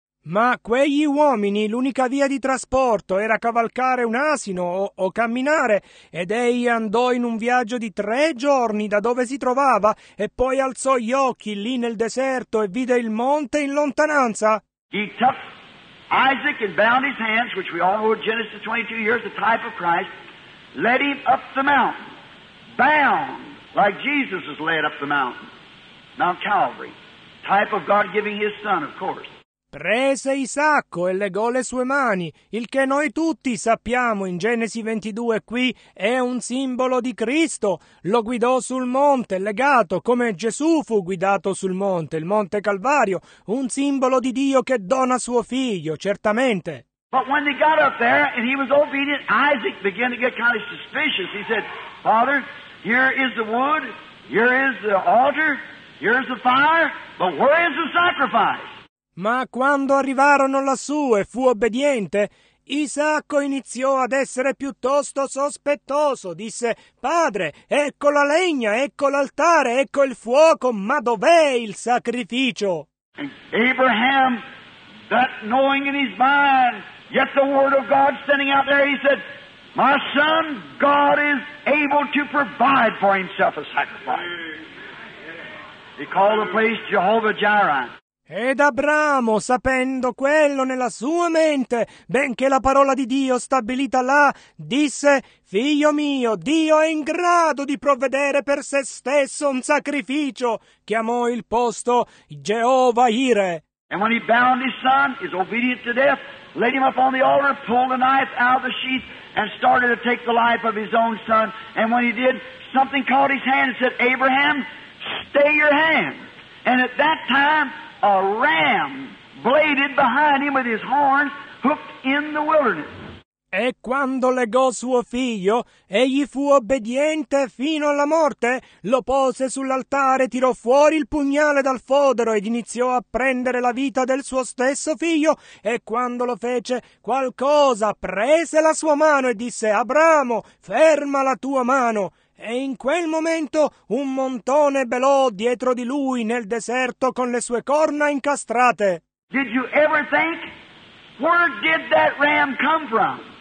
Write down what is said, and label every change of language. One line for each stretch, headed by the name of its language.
Italian: Ma quegli uomini l'unica via di trasporto era cavalcare un asino o camminare, ed egli andò in un viaggio di 3 giorni da dove si trovava, e poi alzò gli occhi lì nel deserto e vide il monte in lontananza.
English: He took Isaac and bound his hands, which we all know in Genesis 22, here's the type of Christ, led him up the mountain, bound, like Jesus was led up the mountain, Mount Calvary, type of God giving his son, of course.
Italian: Prese Isacco e legò le sue mani, il che noi tutti sappiamo in Genesi 22 qui è un simbolo di Cristo. Lo guidò sul monte, legato, come Gesù fu guidato sul monte, il monte Calvario, un simbolo di Dio che dona suo figlio, certamente.
English: But when they got up there and he was obedient, Isaac began to get kind of suspicious. He said, Father, here is the wood, here is the altar, here is the fire, but where is the sacrifice?
Italian: Ma quando arrivarono lassù e fu obbediente, Isacco iniziò ad essere piuttosto sospettoso. Disse, Padre, ecco la legna, ecco l'altare, ecco il fuoco, ma dov'è il sacrificio?
English: Abraham, that knowing in his mind, yet the word of God standing out there, he said, My son, God is able to provide for himself a sacrifice. He called the place Jehovah Jireh.
Italian: Ed Abramo, sapendo quello nella sua mente, benché la parola di Dio stabilita là, disse, Figlio mio, Dio è in grado di provvedere per se stesso un sacrificio. Chiamò il posto Jehovah Jireh.
English: And when he bound his son, his obedient to death, laid him up on the altar, pulled the knife out of the sheath, and started to take the life of his own son. And when he did, something caught his hand and said, Abraham, stay your hand. And at that time, a ram bladed behind him with his horns hooked in the wilderness.
Italian: E quando legò suo figlio, egli fu obbediente fino alla morte, lo pose sull'altare, tirò fuori il pugnale dal fodero ed iniziò a prendere la vita del suo stesso figlio, e quando lo fece, qualcosa prese la sua mano e disse, Abramo, ferma la tua mano. E in quel momento un montone belò dietro di lui nel deserto con le sue corna incastrate.
English: Did you ever think, where did that ram come from?